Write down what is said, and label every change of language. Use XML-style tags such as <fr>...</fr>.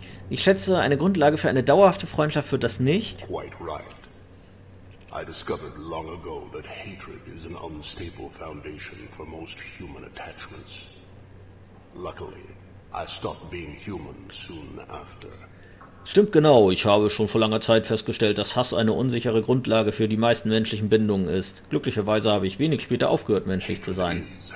<de>Ich schätze, eine Grundlage für eine dauerhafte Freundschaft wird das nicht.</de> <en>Quite right. I discovered long ago that hatred is an unstable foundation for most human attachments. Luckily, I stopped being human soon after.</en> <de>Stimmt genau, ich habe schon vor langer Zeit festgestellt, dass Hass eine unsichere Grundlage für die meisten menschlichen Bindungen ist. Glücklicherweise habe ich wenig später aufgehört, menschlich zu sein.</de>